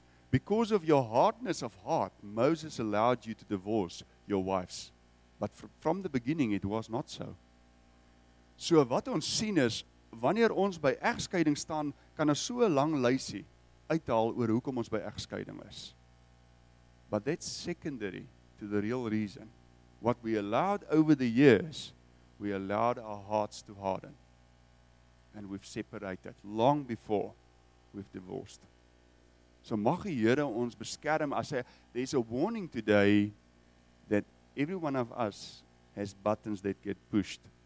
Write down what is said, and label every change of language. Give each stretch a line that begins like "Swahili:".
English: Because of your hardness of heart, Moses allowed you to divorce your wives. But from the beginning it was not so.
Afrikaans: So wat ons sien is, wanneer ons by egskeiding staan, kan ons so 'n lang lysie uithaal oor hoekom ons by egskeiding is.
English: But that's secondary to the real reason. What we allowed over the years, we allowed our hearts to harden. And we've separated long before we've divorced.
Afrikaans: So mag die Here ons beskerm as hy,
English: there's a warning today that every one of us has buttons that get pushed.